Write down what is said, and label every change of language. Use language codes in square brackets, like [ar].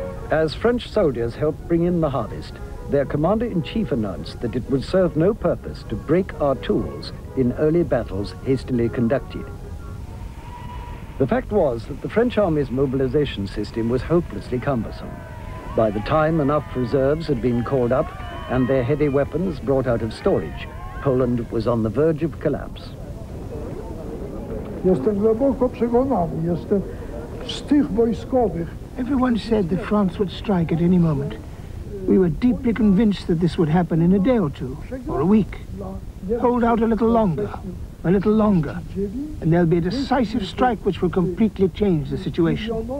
[en] As French soldiers helped bring in the harvest, their commander-in-chief announced that it would serve no purpose to break our tools in early battles hastily conducted. The fact was that the French army's mobilization system was hopelessly cumbersome. By the time enough reserves had been called up and their heavy weapons brought out of storage, Poland was on the verge of collapse. [pl] Jestem głęboko przekonany, jestem z tych wojskowych. [en] Everyone said that France would strike at any moment. We were deeply convinced that this would happen in a day or two, or a week. Hold out a little longer. a little longer, and there'll be a decisive strike which will completely change the situation.